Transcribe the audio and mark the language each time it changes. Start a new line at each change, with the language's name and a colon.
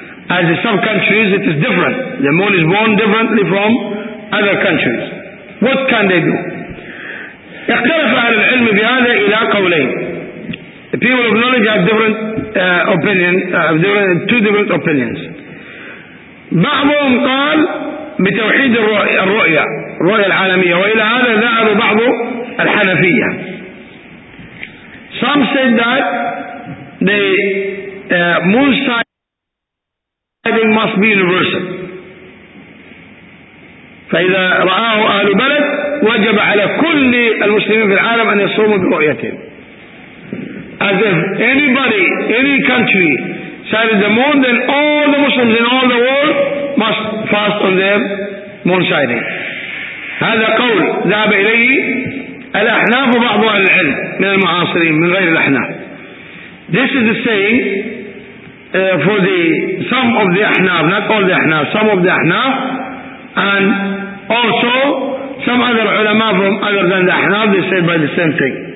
English: As in some countries it is different. The moon is born differently from other countries. What can they do?
Arabic: اختلف أهل العلم بهذا إلى قولين.
English: The people of knowledge have different opinions, two different opinions.
Arabic: بعضهم قال بتوحيد الرؤية, الرؤية العالمية, وإلى هذا ذهب بعض الحنفية.
English: Some said that the moon sighting must be universal.
Arabic: فإذا رآه أهل بلد وجب على كل المسلمين في العالم أن يصوموا برؤيتهم.
English: As if anybody, any country sighted the moon, then all the Muslims in all the world must fast on their moon sighting.
Arabic: هذا قول ذهب إليه الأحناف وبعض أهل العلم من المعاصرين من غير الأحناف.
English: This is the saying for the some of the Ahnaf, not all the Ahnaf, some of the Ahnaf, and also some other ulama from other than the Ahnaf, they said by the same thing.